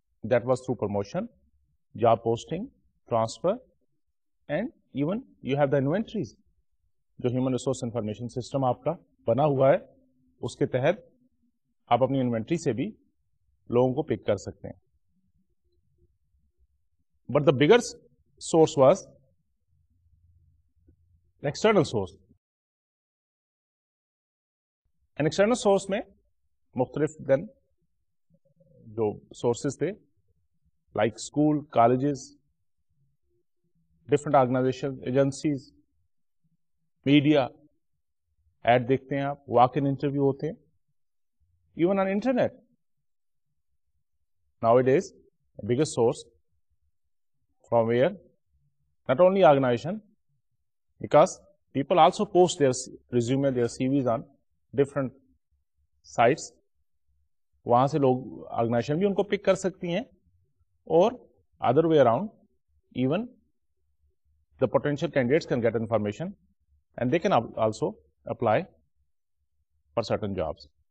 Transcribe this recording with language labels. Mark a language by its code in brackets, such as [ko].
[en] That was through promotion, job posting, transfer, and even you have the inventories. [ur] جو human resource information system آپ کا بنا ہوا ہے اس کے تحت آپ اپنی انوینٹری سے بھی لوگوں کو پک کر سکتے ہیں. [en] But the bigger source was external source. [ur] In external source میں مختلف دن جو سورسز تھے like school, colleges, different organization, agencies, media, ad دیکھتے ہیں آپ، walk-in interview ہوتے ہیں، even on internet. [en] Nowadays, the biggest source from where, not only organization, because people also post their resume, their CVs on different sites, [ur] وہاں سے لوگ organization بھی ان کو pick کر سکتی ہیں، [en] اور other way around, even the potential candidates can get information and they can also apply for certain jobs.